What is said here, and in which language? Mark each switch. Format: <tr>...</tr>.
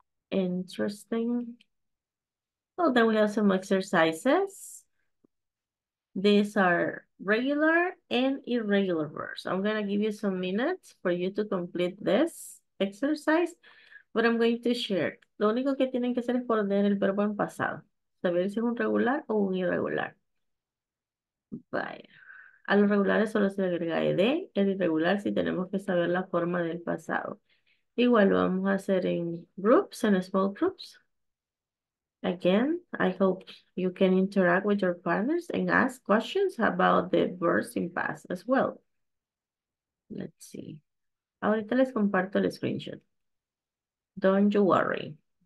<en>Interesting. Well, then we have some exercises. These are regular and irregular verbs. I'm going to give you some minutes for you to complete this exercise, but I'm going to share.</en> <es>Lo único que tienen que hacer es poner el verbo en pasado. Saber si es un regular o un irregular. Vaya. A los regulares solo se agrega ed. El irregular si tenemos que saber la forma del pasado. Igual lo vamos a hacer en</es> <en>groups and small groups. Again, I hope you can interact with your partners and ask questions about the verbs in past as well. Let's see.</en> <es>Ahorita les comparto el screenshot.</es> <en>Don't you worry.</en>